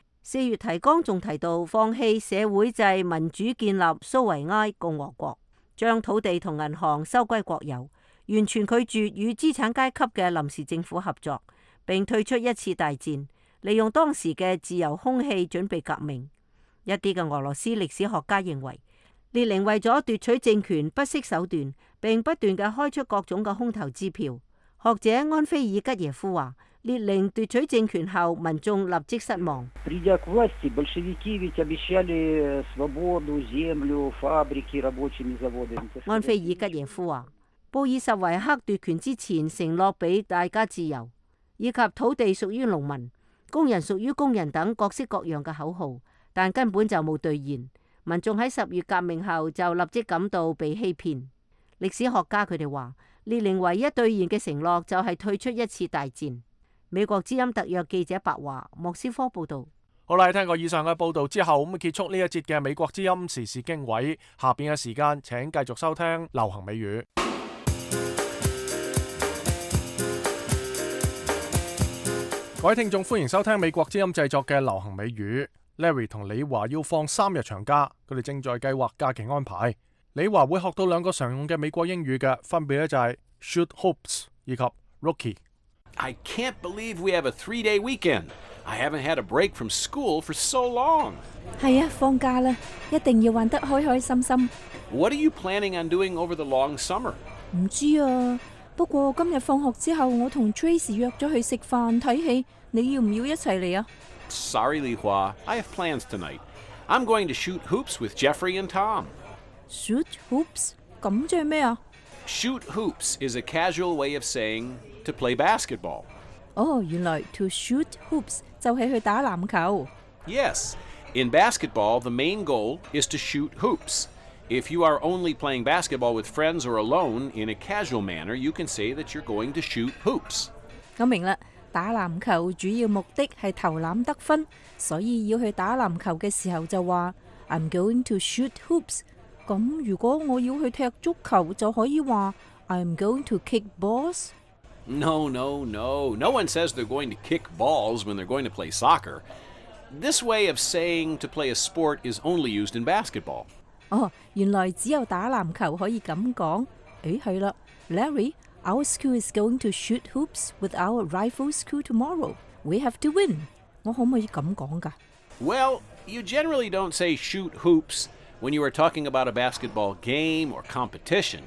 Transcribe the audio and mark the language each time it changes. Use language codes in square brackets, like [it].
[zh] 四月提纲还提到放弃社会制民主，建立苏维埃共和国，将土地和银行收归国有，完全拒绝与资产阶级的临时政府合作，并退出一次大战，利用当时的自由空气准备革命。一些的俄罗斯历史学家认为，列宁为了夺取政权不惜手段，并不断地开出各种的空头支票。学者安菲尔吉耶夫说，列宁夺取政权后，民众立即失望。 [ru] Придя к власти, большевики ведь обещали свободу, землю, фабрики, рабочими заводами. [zh] 安菲尔吉耶夫说，布尔什维克夺权之前承诺俾大家自由，以及土地属于农民、工人属于工人等各式各样的口号，但根本就没兑现。民众在十月革命后就立即感到被欺骗。历史学家他们说，列宁唯一兑现的承诺就是退出一次大战。美国之音特约记者白华莫斯科报道。好啦，听过以上的报道之后，咁结束呢一节嘅美国之音时事经纬，下边嘅时间请继续收听流行美语。各位听众，欢迎收听美国之音制作的流行美语。 Larry 同李华要放三日长假，佢哋正在计划假期安排。李华会学到两个常用的美国英语嘅，分别咧就系 shoot hoops 以及 rookie。 [en] I can't believe we have a three-day weekend. I haven't had a break from school for so long. [zh] 是啊，放假了，一定要玩得开开心心。 [en] What are you planning on doing over the long summer? [zh] 不知啊，不过今天放学之后，我和 Tracy 约了去吃饭看戏，你要不要一起来啊？ [en] Sorry, Li Hua. I have plans tonight. I'm going to shoot hoops with Jeffrey and Tom. [zh] Shoot hoops? 这是什么啊？ [en] Shoot hoops is a casual way of saying... To play basketball. [zh] Oh, 原来 to shoot hoops 就是去打篮球。 [en] Yes, in basketball, the main goal is to shoot hoops. If you are only playing basketball with friends or alone in a casual manner, you can say that you're going to shoot hoops. [zh] 我明白了，打篮球主要目的是投篮得分，所以要去打篮球的时候就说 [en] I'm going to shoot hoops. [zh] 那如果我要去踢足球就可以说 [en] I'm going to kick balls? No. No one says they're going to kick balls when they're going to play soccer. This way of saying to play a sport is only used in basketball. [zh] Oh, 原来只有打篮球可以这样讲。诶，是了。 [en] Larry, our school is going to shoot hoops with our rival school tomorrow. We have to win. [zh] 我可不可以这样讲的？ [en] Well, you generally don't say shoot hoops when you are talking about a basketball game or competition.